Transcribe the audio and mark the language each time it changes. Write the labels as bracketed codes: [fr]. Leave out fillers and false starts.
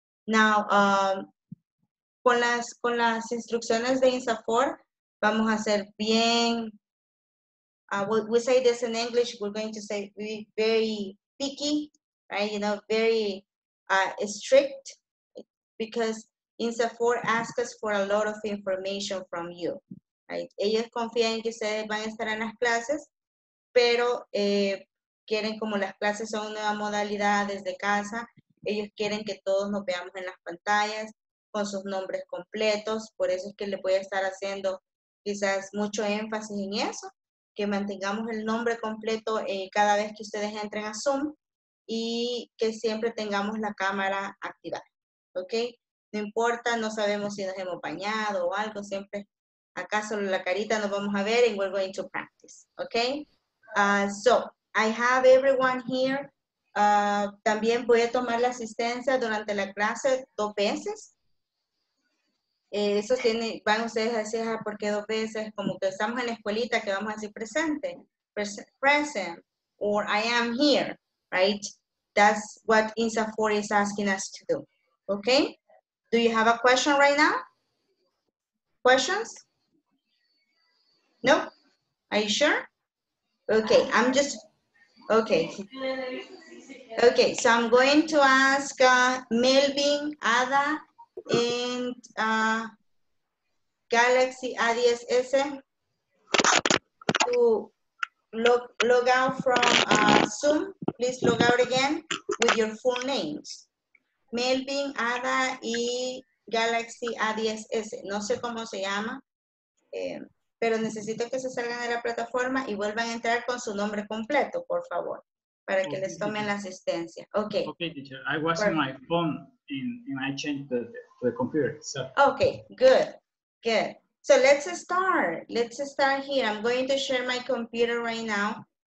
[en] Now, [es] con las instrucciones de INSAFOR, vamos a hacer bien, [en] we say this in English, we're going to say be very picky, right, you know, very strict, because INSAFOR asks us for a lot of information from you, right? [es] Ellos confían en que ustedes van a estar en las clases, pero quieren, como las clases son nueva modalidad desde casa, ellos quieren que todos nos veamos en las pantallas con sus nombres completos, por eso es que les voy a estar haciendo quizás mucho énfasis en eso, que mantengamos el nombre completo cada vez que ustedes entren a Zoom, y que siempre tengamos la cámara activada, ¿ok? No importa, no sabemos si nos hemos bañado o algo, siempre acá solo la carita nos vamos a ver, [en] and we're going to practice, [es] ¿ok? [en] So, I have everyone here. [es] También voy a tomar la asistencia durante la clase dos veces. Eso tiene, van ustedes a decir, ¿por qué dos veces? Como que estamos en la escuelita, que vamos a decir presente, [en] present, or I am here. Right? That's what INSAFOR is asking us to do. Okay? Do you have a question right now? Questions? No? Are you sure? Okay, I'm just... Okay. Okay, so I'm going to ask Melvin, Ada, and Galaxy A10S to log out from Zoom. Please log out again with your full names. [es] Melvin, Ada, y Galaxy A10S. No sé cómo se llama, pero necesito que se salgan de la plataforma y vuelvan a entrar con su nombre completo, por favor. para que les tomen la asistencia. Okay. [en] Okay, teacher. I was on my phone and I changed the computer. So. Okay, good. Good. So let's start. Let's start here. I'm going to share my computer right now.